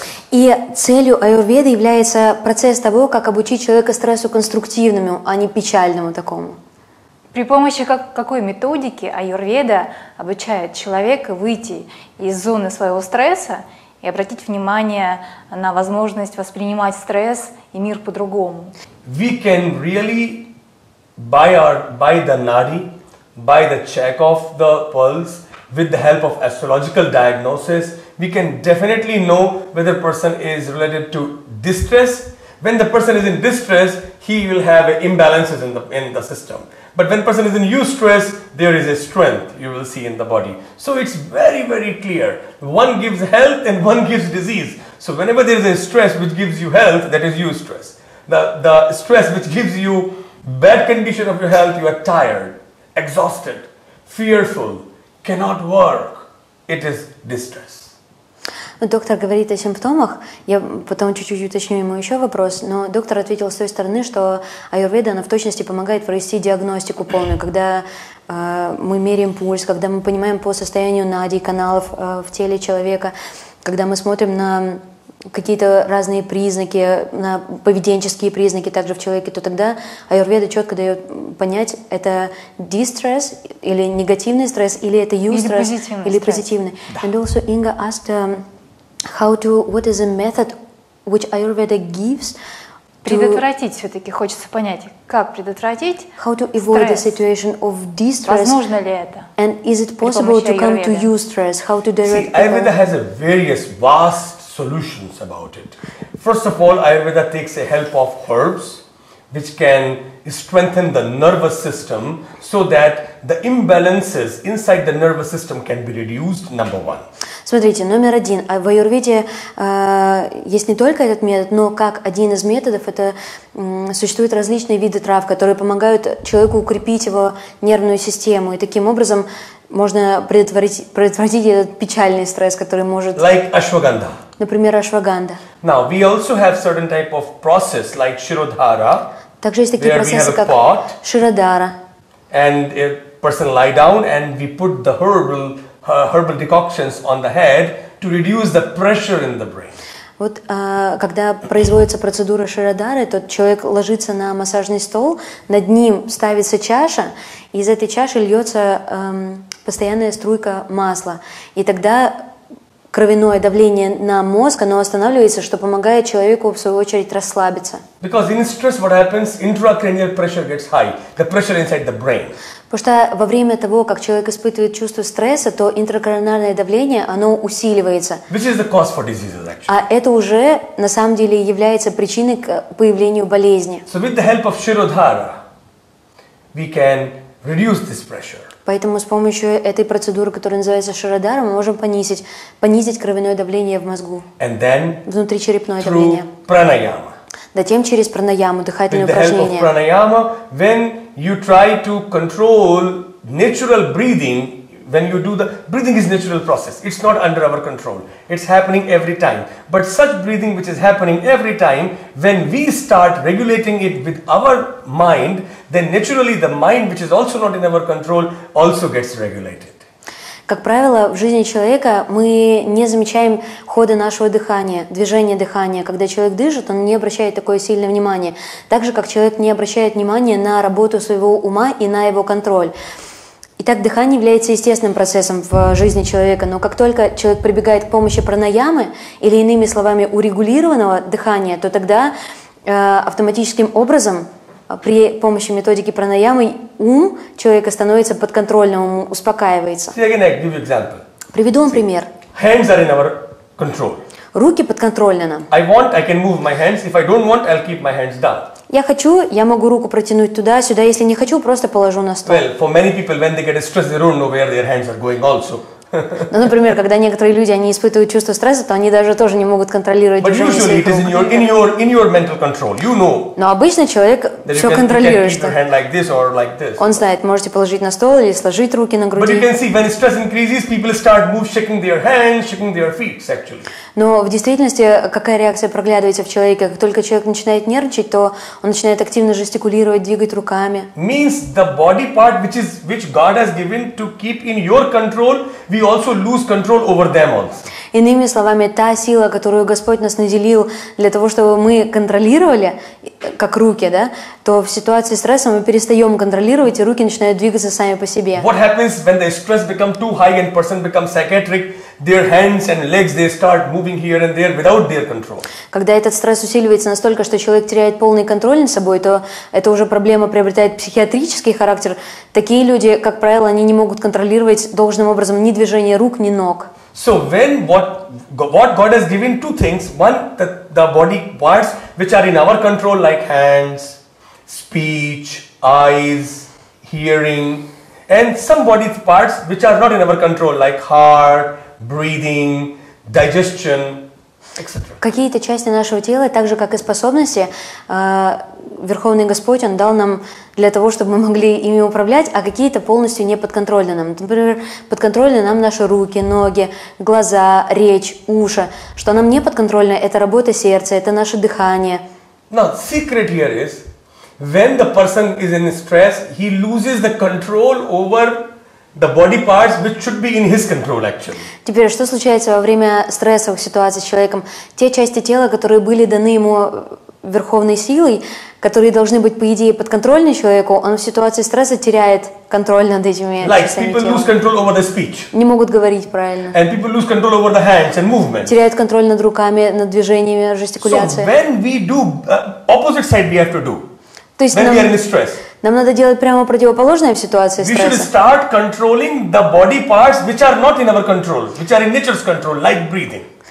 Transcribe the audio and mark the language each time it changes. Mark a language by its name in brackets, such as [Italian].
[Russian] И целью Аюрведы является процесс того, как обучить человека стрессу конструктивному, а не печальному такому. При помощи какой методики Аюрведа обучает человека выйти из зоны своего стресса и обратить внимание на возможность воспринимать стресс и мир по-другому? [English] We can really by the nadi, by the check of the pulse, with the help of astrological diagnosis, we can definitely know whether a person is related to distress. When the person is in distress, he will have imbalances in the system. But when person is in eustress, there is a strength you will see in the body. So it's very, very clear. One gives health and one gives disease. So whenever there is a stress which gives you health, that is eustress. The stress which gives you bad condition of your health, you are tired, exhausted, fearful, cannot work. It is distress. [Russian] Доктор говорит о симптомах. Я потом чуть-чуть уточню ему еще вопрос. Но доктор ответил с той стороны, что Аюрведа, она в точности помогает провести диагностику полную, когда мы меряем пульс, когда мы понимаем по состоянию нади, каналов в теле человека, когда мы смотрим на какие-то разные признаки, на поведенческие признаки также в человеке, то тогда Аюрведа четко дает понять, это дистресс или негативный стресс, или это юстресс, или позитивный. Да. [English] And also Inga asked what is the method which Ayurveda gives [Russian] предотвратить, все-таки хочется понять, как предотвратить [English] how to avoid [Russian] стресс. [English] The situation of distress, [Russian] возможно ли это? [English] And is it possible to come to eustress? How to direct See, Ayurveda has a various vast solutions about it. First of all, Ayurveda takes the help of herbs, which can strengthen the nervous system so that the imbalances inside the nervous system can be reduced, number one. [Russian] Смотрите, номер один. В аюрведе есть не только этот метод, но как один из методов, это существуют различные виды трав, которые помогают человеку укрепить его нервную систему. И таким образом можно предотвратить этот печальный стресс, который может... [English] Like ashwagandha. [Russian] Например, ашваганда. [English] Now, we also have certain type of process, like shirodhara. [Russian] Также есть такие процессы, как shirodhara. [English] And a person lie down and we put the herbal decoctions on the head to reduce the pressure in the brain. [Russian] Вот когда производится процедура Ширадары, тот человек ложится на массажный стол, над ним ставится чаша, и из этой чаши льется постоянная струйка масла. И тогда кровяное давление на мозг, оно останавливается, что помогает человеку в свою очередь расслабиться. [English] Because in stress what happens, intracranial pressure gets high, the pressure inside the brain. [Russian] Потому что во время того, как человек испытывает чувство стресса, то интракраниальное давление, оно усиливается. [English] Which is the cause for diseases, actually. [Russian] А это уже, на самом деле, является причиной к появлению болезни. [English] So with the help of Shirodhara, we can reduce this pressure. [Russian] Поэтому с помощью этой процедуры, которая называется Shirodhara, мы можем понизить кровяное давление в мозгу. [English] And then, [Russian] внутричерепное давление. [English] Through pranayama. [Russian] Затем через пранаяму, дыхательные упражнения. [English] With the help of pranayama, when you try to control natural breathing, when you do the breathing is natural process. It's not under our control. It's happening every time. But such breathing which is happening every time, when we start regulating it with our mind, then naturally the mind which is also not in our control also gets regulated. [Russian] Как правило, в жизни человека мы не замечаем хода нашего дыхания, движения дыхания. Когда человек дышит, он не обращает такое сильное внимание. Так же, как человек не обращает внимания на работу своего ума и на его контроль. Итак, дыхание является естественным процессом в жизни человека. Но как только человек прибегает к помощи пранаямы, или иными словами, урегулированного дыхания, то тогда автоматическим образом... При помощи методики пранаямы ум человека становится подконтрольным, успокаивается. Приведу вам пример. [English] Hands are in our control. [Russian] Руки подконтрольны нам. [English] I want, I can move my hands. If I don't want, I'll keep my hands down. [Russian] Я хочу, я могу руку протянуть туда-сюда. Если не хочу, просто положу на стол. [English] Well, for many people, when they get stressed, they don't know where their hands are going also. [Russian] Ну, например, когда некоторые люди, они испытывают чувство стресса, то они даже тоже не могут контролировать движение своих рук. [English] But usually it is in your mental control. You know. [Russian] Но обычно человек все контролирует. [English] You can keep your hand like this or like this. [Russian] Он знает, можете положить на стол или сложить руки на груди. [English] But you can see, when stress increases, people start move shaking their hands, shaking their feet, actually. [Russian] Но в действительности, какая реакция проглядывается в человеке? Как только человек начинает нервничать, то он начинает активно жестикулировать, двигать руками. [English] Means the body part which God has given to keep in your control, we also lose control over them also. Иными словами, та сила, которую Господь нас наделил для того, чтобы мы контролировали, как руки, да, то в ситуации стресса мы перестаем контролировать, и руки начинают двигаться сами по себе. What happens when the stress becomes too high and person becomes psychiatric? Their hands and legs, they start moving here and there without their control. [Russian] Когда этот стресс усиливается настолько, что человек теряет полный контроль над собой, то это уже проблема приобретает психиатрический характер. Такие люди, как правило, они не могут контролировать должным образом ни движение рук, ни ног. [English] So when what God has given two things, one the body parts which are in our control, like hands, speech, eyes, hearing, and some body parts which are not in our control, like heart, breathing, digestion, etc. [Russian] Какие-то части нашего тела, так же как и способности, Верховный Господь, Он дал нам для того, чтобы мы могли ими управлять, а какие-то полностью не подконтрольны нам. Например, подконтрольны нам наши руки, ноги, глаза, речь, уши. Что нам не подконтрольно, это работа сердца, это наше дыхание. [English] Now, secret here is, when the person is in stress, he loses the control over the body parts which should be in his control, actually. [Russian] Теперь, что случается во время стрессовых ситуаций с человеком? Те части тела, которые были даны ему верховной силой, которые должны быть, по идее, подконтрольны человеку, он в ситуации стресса теряет контроль над этими частями тела. [English] Like, people lose control over the speech. [Russian] Не могут говорить правильно. [English] And people lose control over the hands and movements. [Russian] Теряют контроль над руками, над движениями, жестикуляцией. [English] So, when we do, opposite side we have to do. [Russian] То есть [English] when [Russian] нам... [English] we are in stress. [Russian] Нам надо делать прямо противоположное в ситуации стресса. [English] We should start controlling the body parts which are not in our control, which are in nature's control, like breathing.